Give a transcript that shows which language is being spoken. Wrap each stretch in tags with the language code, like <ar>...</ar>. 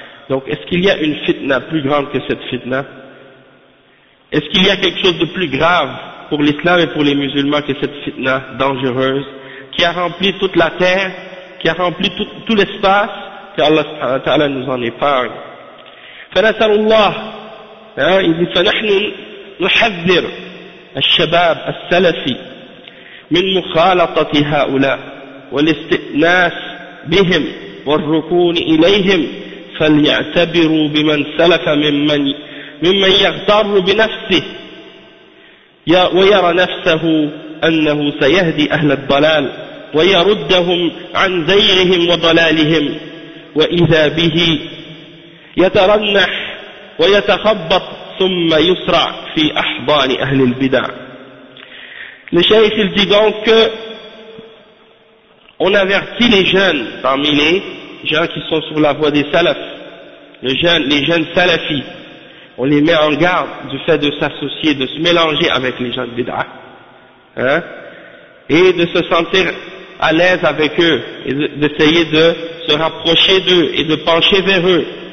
<fr>Donc est-ce qu'il y a une fitna plus grande que cette fitna? Est-ce qu'il y a quelque chose de plus grave pour l'islam et pour les musulmans que cette fitna dangereuse qui a rempli toute la terre, qui a rempli tout l'espace, que Allah subhanahu wa ta'ala nous en épargne. Fanasallallah, hein, il dit,</fr> <ar>فَنَحْنُ نُحَذِّرُ الشَّبَابَ السَّلَفِي مِنْ مُخَالَطَةِ هَؤُلَاء وَالِاسْتِئْنَاسِ بِهِمْ وَالرُّكُونِ إِلَيْهِمْ فَلْيَعْتَبِرُوا بِمَنْ سَلَفَ ممن يغتر بنفسه ويرى نفسه أنه سيهدي أهل الضلال ويردهم عن زيغهم وضلالهم وإذا به يترنح ويتخبط ثم يسرع في أحضان أهل البدع.</ar> <fr>Le chef il dit donc que on avertit les jeunes parmi les gens qui sont sur la voie des salafs, les jeunes salafis, on les met en garde du fait de s'associer, de se mélanger avec les gens de bid'ah, hein, et de se sentir à l'aise avec eux, et d'essayer de se rapprocher d'eux et de pencher vers eux.</fr>